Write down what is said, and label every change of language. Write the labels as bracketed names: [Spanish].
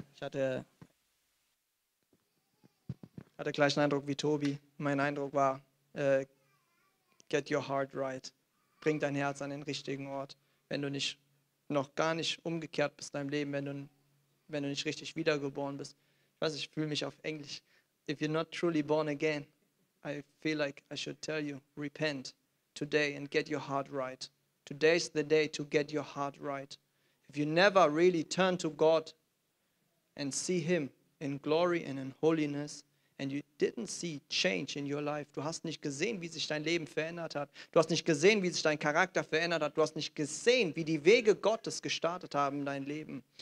[German] Ich hatte gleich einen Eindruck wie Tobi. Mein Eindruck war, [English] get your heart right. [German] Bring dein Herz an den richtigen Ort. Wenn du nicht noch gar nicht umgekehrt bist in deinem Leben, wenn du nicht richtig wiedergeboren bist. Ich weiß, ich fühle mich auf Englisch. [English] If you're not truly born again, I feel like I should tell you, repent today and get your heart right. Today's the day to get your heart right. If you never really turn to God and see him in glory and in holiness, and you didn't see change in your life, [German] du hast nicht gesehen, wie sich dein Leben verändert hat, du hast nicht gesehen, wie sich dein Charakter verändert hat, du hast nicht gesehen, wie die Wege Gottes gestartet haben in dein Leben.